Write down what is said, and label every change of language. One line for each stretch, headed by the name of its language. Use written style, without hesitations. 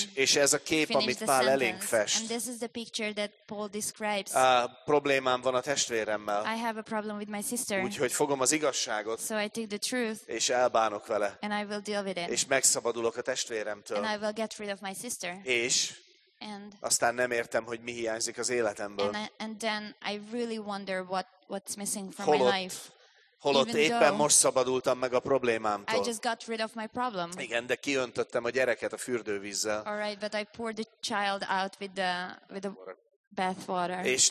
Hungarian: és ez a kép, amit Pál elénk fest.
English: And this is the picture that Paul describes.
Hungarian: Problémám van a testvéremmel.
English: I have a problem with my sister.
Hungarian: Úgyhogy fogom az igazságot.
English: So I take the truth.
Hungarian: És elbánok vele.
English: And I will deal with it.
Hungarian: És megszabadulok a testvéremtől.
English: And I will get rid of my sister.
Hungarian: És
English: And
Hungarian: aztán nem értem, hogy mi hiányzik az életemből.
English: And then I really wonder what's missing from my life.
Hungarian: Holott éppen most szabadultam meg a problémámtól.
English: I just got rid of my problem.
Hungarian: Igen, de kiöntöttem a gyereket a fürdővízzel.
English: All right, but I poured the child out with the bath water.